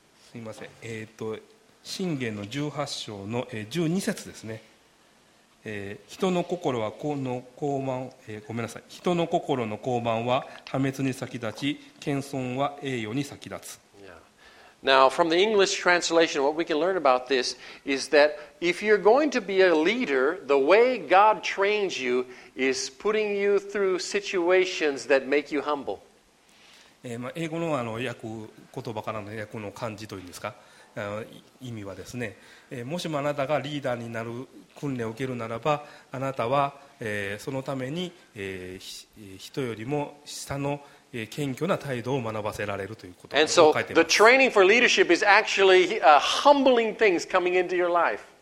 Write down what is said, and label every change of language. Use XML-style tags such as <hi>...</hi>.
<ja>すいません。箴言の18章の12節ですね。人の心はこの高慢、ごめんなさい、人の心の高慢は破滅に先立ち、謙遜は栄誉に先立つ。</ja> <en>Now, from the English translation, what we can learn about this is that if you're going to be a leader, the way God trains you is putting you through situations that make you humble.</en> <ja>英語の、あの訳、言葉からの訳の漢字というんですか、意味はですね、もしもあなたがリーダーになる訓練を受けるならば、あなたは、そのために、人よりも下の謙虚な態度を学ばせられるということを書いています</ja> <en>。 The training for leadership is actually humbling things coming into your life.</en>